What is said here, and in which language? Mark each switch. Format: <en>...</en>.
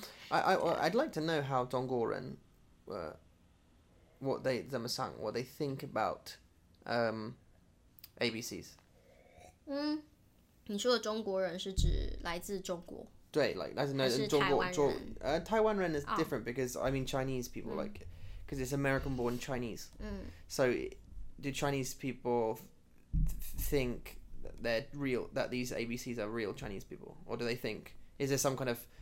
<en>I'd like to know how 中国人 what they</en> <zh>怎么想</zh> <en>what they think about ABCs.</en> <zh>你说的中国人是指来自中国。对</zh> <en>like that's no Taiwan Ren is different because I mean Chinese people like because it's American born Chinese. So do Chinese people think that they're real that these ABCs are real Chinese people or do they think is there some kind of</en>